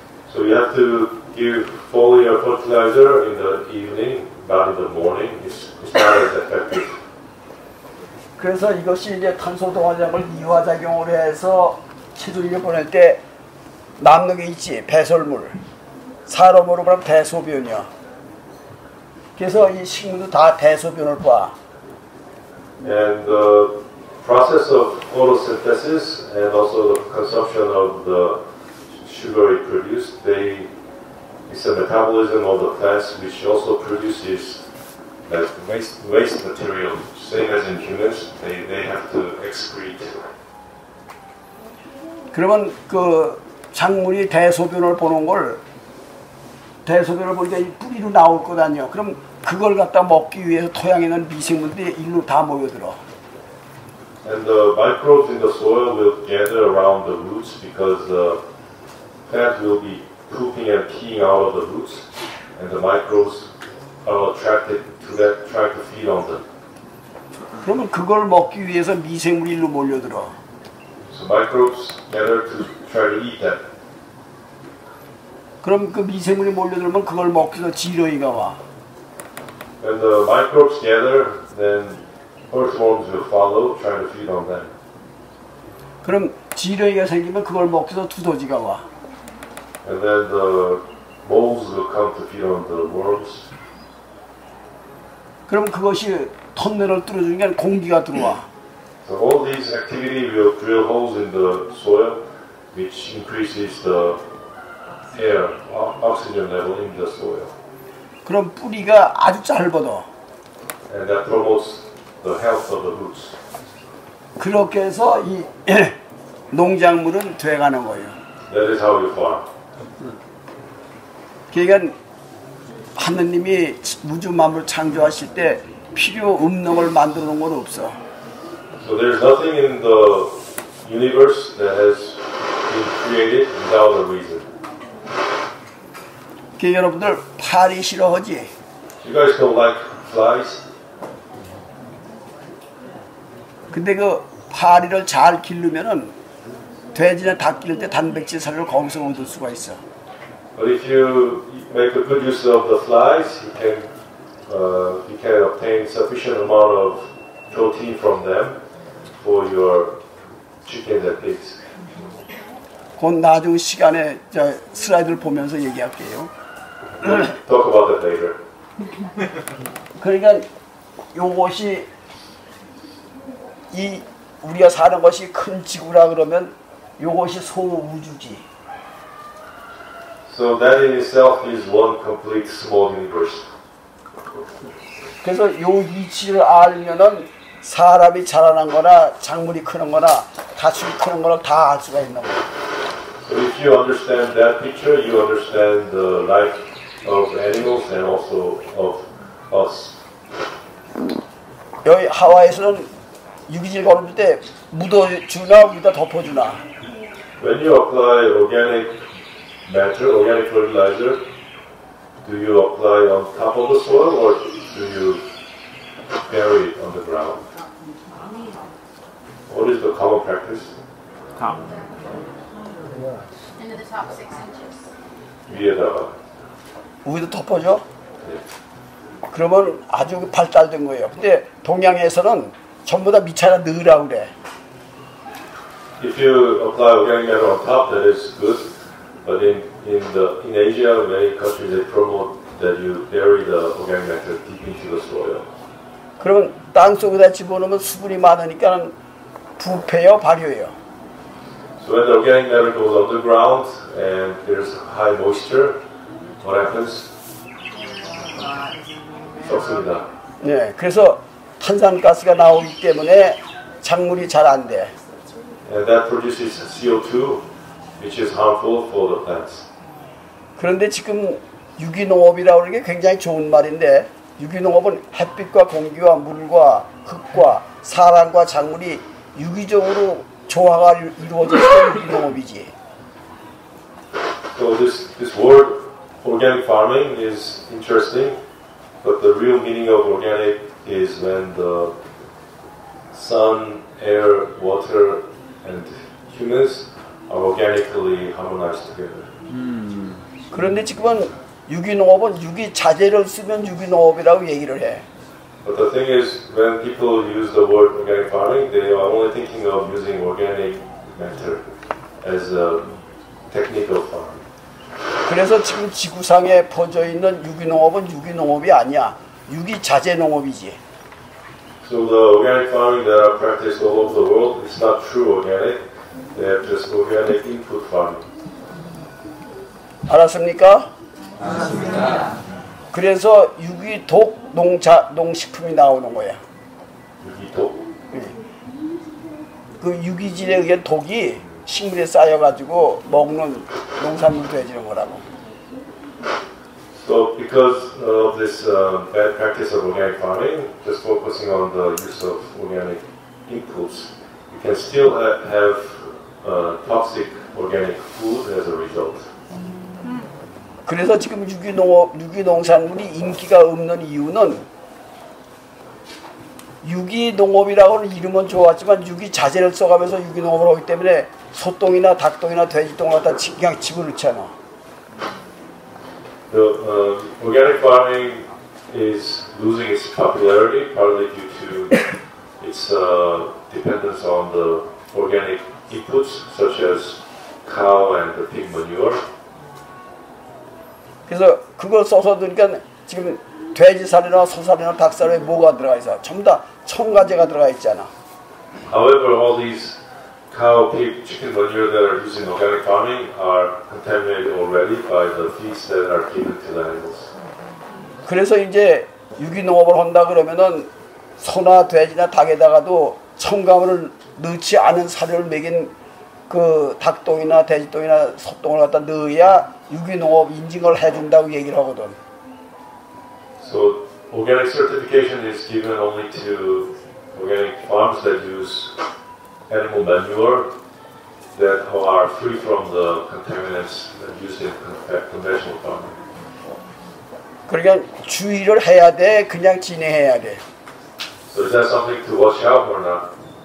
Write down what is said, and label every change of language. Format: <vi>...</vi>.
<en>So you have to give foliar fertilizer in the evening, not in the morning. It's not as effective.</en> <ko>그래서 이것이 이제 탄소 동화작용을 이화 작용으로 해서 체중을 보낼 때 남는 게 있지 배설물. 사람으로 보면 대소변이야. 그래서 이 식물도 다 대소변을 봐.</ko> <en>And the process of photosynthesis and also the consumption of the sugar it produces, it's a metabolism of the plants which also produces that waste material. Same as in humans, they have to excrete.</en> <ko>그러면 그 작물이 대소변을 보는 걸 대소변을 보니까 뿌리로 나올 거 아니에요. 그럼 그걸 갖다 먹기 위해서 토양에 있는 미생물들이 일로 다 모여들어.</ko> <en>And the microbes in the soil will gather around the roots because the plant will be pooping and peeing out of the roots, and the microbes are attracted to that, trying to feed on them.</en> <ko>그러면 그걸 먹기 위해서 미생물이 일로 몰려들어.</ko> <en>So microbes gather to try to eat that.</en> <ko>그럼 그 미생물이 몰려들면 그걸 먹기 위해서 지렁이가 와.</ko> <en>When the microbes gather, then earthworms will follow, trying to feed on them.</en> <ko>그럼 지렁이가 생기면 그걸 먹기 위해서 두더지가 와.</ko> <en>And then the moles will come to feed on the worms.</en> <ko>그럼 그것이 터널을 뚫어주는 게 아니라 공기가 들어와.</ko> <en>So all these activity will drill holes in the soil, which increases the air, oxygen level in the soil.</en> <ko>그럼 뿌리가 아주 짧아져.</ko> <en>And that promotes the health of the roots.</en> <ko>그렇게 해서 이 농작물은 돼가는 거예요.</ko> <en>That is how you farm.</en> <ko>그러니까 하느님이 우주 만물 창조하실 때 필요 없는 걸 만들어 놓은 건 없어.</ko> <en>So there's nothing in the universe that has been created without a reason.</en> <ko>그러니까 여러분들 파리 싫어하지?</ko> <en>You guys don't like flies?</en> <ko>근데 그 파리를 잘 기르면은 돼지나 닭 기를 때 단백질 사료를 거기서 얻을 수가 있어.</ko> <en>But if you make a good use of the flies, you can obtain sufficient amount of protein from them for your chickens and pigs.</en> <ko>곧 나중 시간에 저 슬라이드를 보면서 얘기할게요.</ko> <en>Talk about that later.</en> <ko>그러니까 요것이 이 우리가 사는 것이 큰 지구라 그러면 요것이 소우주지.</ko> <en>So that in itself is one complete small universe.</en> <ko>그래서 요 이치를 알면은 사람이 자라난 거나 작물이 크는 거나 가축이 크는 거를 다 알 수가 있는 거야.</ko> <en>So if you understand that picture, you understand the life of animals and also of us.</en> <ko>여기 하와이에서는 유기질 걸을 때 묻어주나 묻어 덮어주나.</ko> <en>When you apply organic matter, organic fertilizer, do you apply on top of the soil or do you bury it on the ground? What is the common practice? Top. Into the top 6 inches.</en> <ko>위에다가. 위에다 덮어줘? 네. 그러면 아주 발달된 거예요. 근데 동양에서는 전부 다 미차라 넣으라 그래.</ko> <en>If you apply organic matter on top, that is good. But in Asia, many countries they promote that you bury the organic matter deep into the soil.</en> <ko>그러면 땅 속에다 집어넣으면 수분이 많으니까 부패요, 발효요.</ko> <en>So when the organic matter goes underground and there's high moisture, what happens?</en> <ko>썩습니다. 네, 그래서 탄산가스가 나오기 때문에 작물이 잘 안 돼.</ko> <en>And that produces CO2, which is harmful for the plants.</en> <ko>그런데 지금 유기농업이라고 하는 게 굉장히 좋은 말인데 유기농업은 햇빛과 공기와 물과 흙과 사람과 작물이 유기적으로 조화가 이루어져서 유기농업이지.</ko> <en>So this word organic farming is interesting, but the real meaning of organic is when the sun, air, water, and humans are organically harmonized together.</en> <ko>그런데 지금은 유기농업은 유기 자재를 쓰면 유기농업이라고 얘기를 해.</ko> <en>But the thing is, when people use the word organic farming, they are only thinking of using organic matter as a technique of farming.</en> <ko>그래서 지금 지구상에 퍼져 있는 유기농업은 유기농업이 아니야. 유기 자재 농업이지.</ko> <en>So the organic farming that are practiced all over the world is not true organic. They are just organic input farming.</en> <ko>알았습니까? 알았습니다. 그래서 유기독 농자 농식품이 나오는 거야. 유기독? 그 유기질에 의한 독이 식물에 쌓여가지고 먹는 농산물도 해지는 거라고.</ko> <en>So because of this bad practice of organic farming, just focusing on the use of organic inputs, you can still have toxic organic food as a result.</en> <ko>그래서 지금 유기농업, 유기농산물이 인기가 없는 이유는 유기농업이라고 하는 이름은 좋았지만 유기자재를 써가면서 유기농업을 하기 때문에 소똥이나 닭똥이나 돼지똥을 갖다 그냥 집어넣잖아.</ko> <en>The organic farming is losing its popularity partly due to its dependence on the organic inputs such as cow and the pig manure.</en> <ko>그래서 그걸 써서 넣으니까 지금 돼지 살이나 소 살이나 닭 살에 뭐가 들어가 있어? 전부 다 첨가제가 들어가 있잖아.</ko> <en>However, all these cow, pig, chicken manure that are used in organic farming are contaminated already by the feeds that are given to the animals.</en> <ko>그래서 이제 유기농업을 한다 그러면은 소나 돼지나 닭에다가도 첨가물을 넣지 않은 사료를 먹인 그 닭똥이나 돼지똥이나 소똥을 갖다 넣어야 유기농업 인증을 해준다고 얘기를 하거든.</ko> <en>So organic certification is given only to organic farms that use animal manure that are free from the contaminants that used in conventional farming.</en> <ko>그러니까 주의를 해야 돼, 그냥 진행해야 돼.</ko> <en>So is that something to watch out or not?</en>